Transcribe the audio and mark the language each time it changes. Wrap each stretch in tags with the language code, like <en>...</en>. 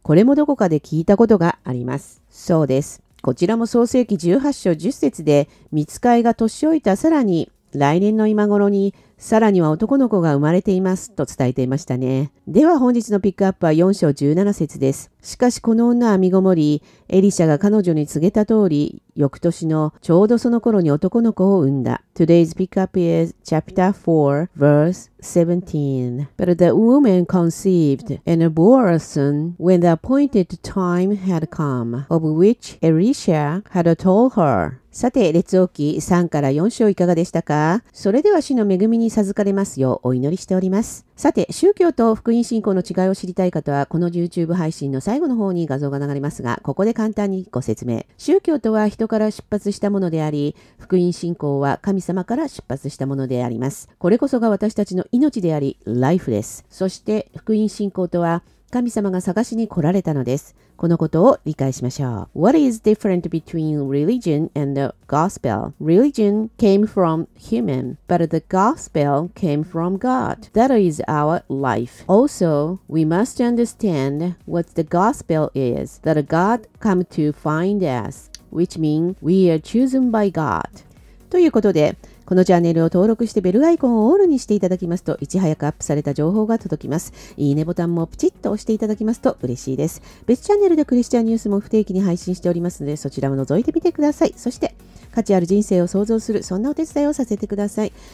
<ja>これもどこかで聞いたことがあります。そうです、こちらも創世記18章10節で、御使いが年老いたサラに、来年の今頃にサラには男の子が生まれていますと伝えていましたね。では本日のピックアップは4章17節です。しかしこの女は身ごもり、エリシャが彼女に告げた通り、翌年のちょうどその頃に男の子を産んだ。</ja> <en>Today's pick up is chapter 4 verse 17. But the woman conceived and bore a son when the appointed time had come, of which Elisha had told her.</en> <ja>さて、列王記3から4章いかがでしたか？それでは主の恵みに授かれますようお祈りしております。さて、宗教と福音信仰の違いを知りたい方は、この YouTube 配信の最後の方に画像が流れますが、ここで簡単にご説明。宗教とは人から出発したものであり、福音信仰は神様から出発したものであります。これこそが私たちの命であり、Life です。そして、福音信仰とは神様が探しに来られたのです。このことを理解しましょう。</ja> <en>What is different between religion and the gospel? Religion came from human, but the gospel came from God. That is our life. Also, we must understand what the gospel is, that God come to find us, which means we are chosen by God.</en> <ja>ということで、このチャンネルを登録してベルアイコンをオールにしていただきますと、いち早くアップされた情報が届きます。いいねボタンもプチッと押していただきますと嬉しいです。別チャンネルでクリスチャンニュースも不定期に配信しておりますので、そちらも覗いてみてください。そして価値ある人生を創造する、そんなお手伝いをさせてください。</ja>